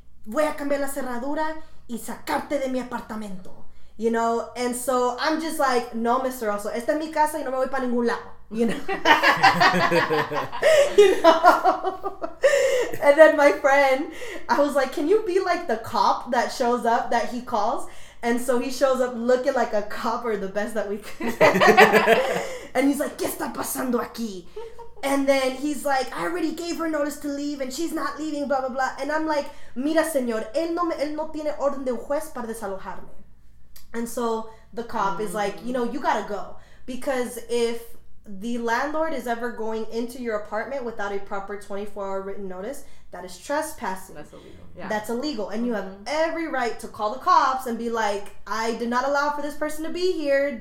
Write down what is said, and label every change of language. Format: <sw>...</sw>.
<es>Voy a cambiar la cerradura y sacarte de mi apartamento.</es> <en>You know? And so I'm just like, no, Mr. Also.</en> <es>Esta es mi casa y no me voy para ningún lado.</es> <en>You know? You know? And then my friend, I was like, can you be like the cop that shows up that he calls? And so he shows up looking like a copper, the best that we could. And he's like,</en> <es>¿qué está pasando aquí?</es> <en>And then he's like, I already gave her notice to leave and she's not leaving, blah, blah, blah. And I'm like,</en> <es>mira, señor, él no tiene orden de un juez para desalojarme.</es> <en>And so the cop is like, you know, you gotta go. Because if the landlord is ever going into your apartment without a proper 24-hour written notice, that is trespassing. That's illegal. Yeah. That's illegal. And you have every right to call the cops and be like, I did not allow for this person to be here.</en>